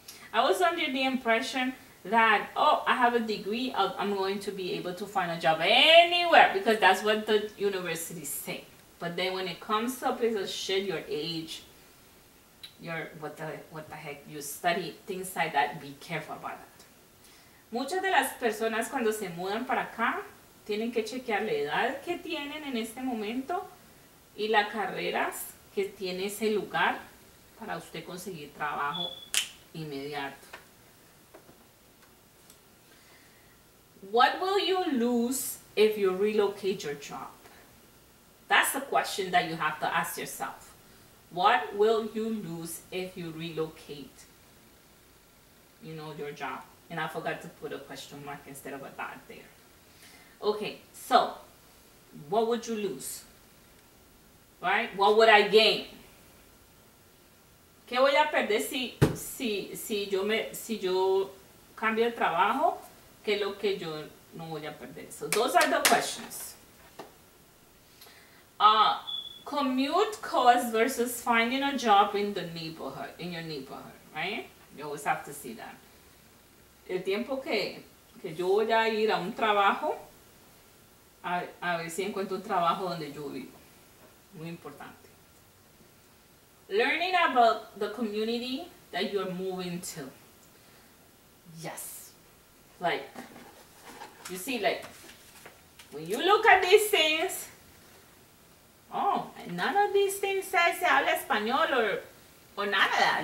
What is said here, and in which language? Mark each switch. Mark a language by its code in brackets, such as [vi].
[en] I was under the impression that, oh, I have a degree, I'm going to be able to find a job anywhere, because that's what the universities say. But then when it comes to a place of shit, your age, your what the heck you study, things like that, be careful about that. [es] Muchas de las personas cuando se mudan para acá tienen que chequear la edad que tienen en este momento y las carreras que tiene ese lugar para usted conseguir trabajo inmediato. [en] What will you lose if you relocate your job? That's a question that you have to ask yourself. What will you lose if you relocate, you know, your job? And I forgot to put a question mark instead of a dot there. Okay, so what would you lose? Right? What would I gain? [es] ¿Qué voy a perder si yo cambio de trabajo? ¿Qué es lo que yo no voy a perder? [en] So those are the questions. Commute cost versus finding a job in the neighborhood, in your neighborhood, right? You always have to see that. [es] El tiempo que yo voy a ir a un trabajo, a ver si encuentro un trabajo donde yo vivo. Muy importante. [en] Learning about the community that you're moving to. Yes. Like, you see, like, when you look at these things, oh, none of these things say [es] se habla español [en] or none of that.